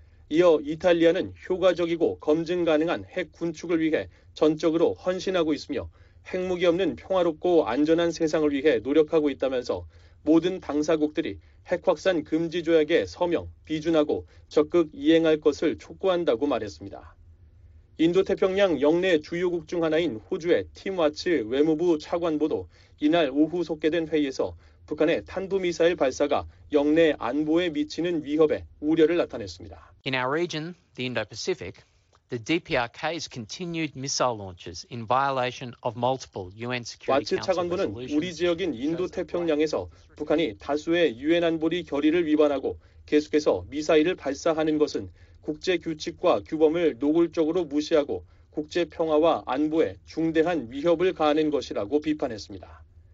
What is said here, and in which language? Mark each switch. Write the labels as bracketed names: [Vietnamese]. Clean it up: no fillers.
[Korean] 이어 이탈리아는 효과적이고 검증 가능한 핵 군축을 위해 전적으로 헌신하고 있으며 핵무기 없는 평화롭고 안전한 세상을 위해 노력하고 있다면서 모든 당사국들이 핵확산 금지 조약에 서명, 비준하고 적극 이행할 것을 촉구한다고 말했습니다. 인도태평양 역내 주요국 중 하나인 호주의 팀 와츠 외무부 차관보도 이날 오후 속개된 회의에서 북한의 탄도미사일 발사가 역내 안보에 미치는 위협에 우려를 나타냈습니다. [English] In our region, the Indo-Pacific, the DPRK's continued missile launches in violation of multiple UN Security Council resolutions. [Korean] 와츠 차관보는 우리 지역인 인도태평양에서 북한이 다수의 유엔 안보리 결의를 위반하고 계속해서 미사일을 발사하는 것은 국제 규칙과 규범을 노골적으로 무시하고 국제 평화와 안보에 중대한 위협을 가하는 것이라고 비판했습니다.